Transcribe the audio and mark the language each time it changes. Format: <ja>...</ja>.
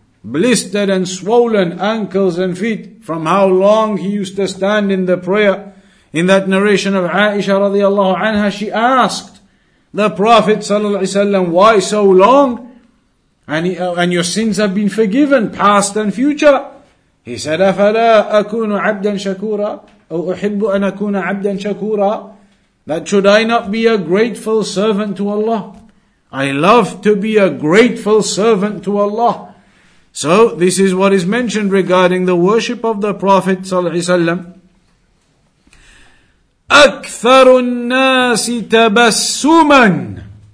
<en>Blistered and swollen ankles and feet from how long he used to stand in the prayer. In that narration of Aisha radiallahu anha, she asked the Prophet sallallahu alaihi wasallam, why so long? And your sins have been forgiven, past and future. He said,</en> <ar>أَفَلَا أَكُونُ عَبْدًا شَكُورًا أَوْ أُحِبُّ أَنْ أَكُونَ عَبْدًا شَكُورًا.</ar> <en>That should I not be a grateful servant to Allah? I love to be a grateful servant to Allah. So this is what is mentioned regarding the worship of the Prophet sallallahu alaihi wasallam.</en> <ar>أَكْثَرُ النَّاسِ تَبَسُّمًا.</ar>